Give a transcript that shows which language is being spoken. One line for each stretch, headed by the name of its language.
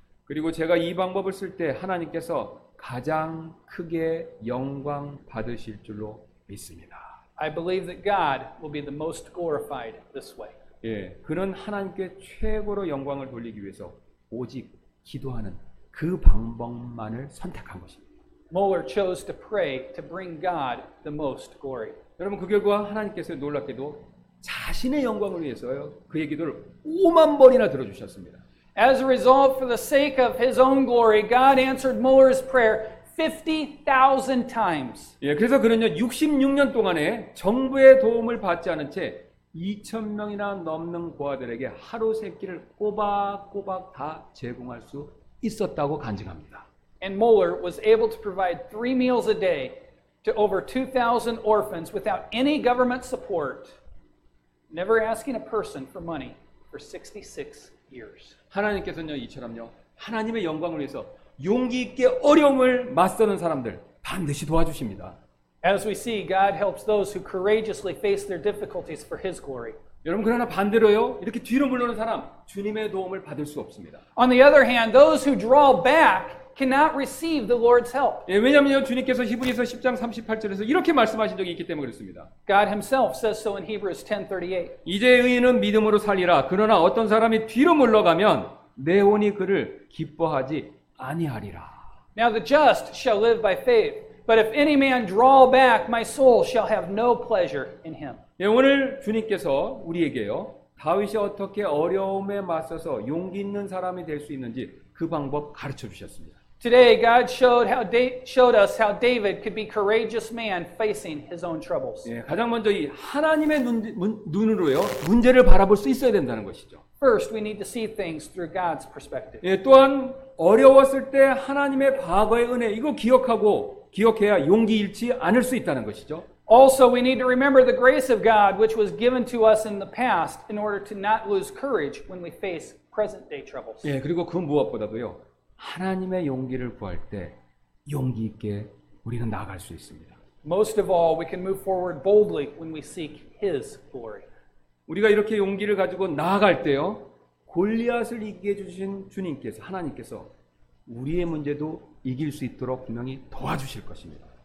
Korean: 그리고 제가 이 방법을 쓸 때 하나님께서 가장 크게 영광 받으실 줄로 믿습니다.
English: I believe that God will be the most glorified this way.
Korean: 예, 그는 하나님께 최고로 영광을 돌리기 위해서 오직 기도하는 그 방법만을 선택한 것입니다.
English: Moeller chose to pray to bring God the most glory.
Korean: 여러분 그 결과 하나님께서 놀랍게도 자신의 영광을 위해서요 그의 기도를 5만 번이나 들어주셨습니다.
English: As a result, for the sake of his own glory, God answered Moeller's prayer 50,000 times.
Korean: 예, 그래서 그는요, 66년 동안에 정부의 도움을 받지 않은 채 2,000명이나 넘는 고아들에게 하루 세 끼를 꼬박꼬박 다 제공할 수 있었다고 간증합니다.
English: And Moeller was able to provide 3 meals a day to over 2,000 orphans without any government support, never asking a person for money for 66 years.
Korean: 하나님께서는요 이처럼요 하나님의 영광을 위해서 용기 있게 어려움을 맞서는 사람들 반드시 도와주십니다.
English: As we see, God helps those who courageously face their difficulties for His glory.
Korean: 여러분 그러나 반대로요 이렇게 뒤로 물러는 사람 주님의 도움을 받을 수 없습니다.
English: On the other hand, those who draw back cannot receive the Lord's help.
Korean: 예, 왜냐하면 주님께서 히브리서 10장 38절에서 이렇게 말씀하신 적이 있기 때문에 그렇습니다.
English: God himself says so in Hebrews 10:38.
Korean: 이제 의인은 믿음으로 살리라. 그러나 어떤 사람이 뒤로 물러가면 내 혼이 그를 기뻐하지 아니하리라.
English: Now the just shall live by faith. But if any man draw back, my soul shall have no pleasure in him.
Korean: 예, 오늘 주님께서 우리에게요. 다윗이 어떻게 어려움에 맞서서 용기 있는 사람이 될 수 있는지 그 방법 가르쳐 주셨습니다.
English: Today God showed how showed us how David could be a courageous man facing his own troubles.
Korean: 예, 가장 먼저 이 하나님의 눈으로요. 문제를 바라볼 수 있어야 된다는 것이죠.
English: First we need to see things through God's perspective.
Korean: 예, 또한 어려웠을 때 하나님의 과거의 은혜 이거 기억하고 기억해야 용기 잃지 않을 수 있다는 것이죠.
English: Also we need to remember the grace of God which was given to us in the past in order to not lose courage when we face present day troubles.
Korean: 예, 그리고 그 무엇보다도요. 하나님의 용기를 구할 때 용기 있게 우리는 나아갈 수 있습니다.
English: Most of all we can move forward boldly when we seek his glory.
Korean: 우리가 이렇게 용기를 가지고 나아갈 때요. 골리앗을 이기게 해 주신 주님께서 하나님께서 우리의 문제도 이길 수 있도록 분명히 도와주실 것입니다.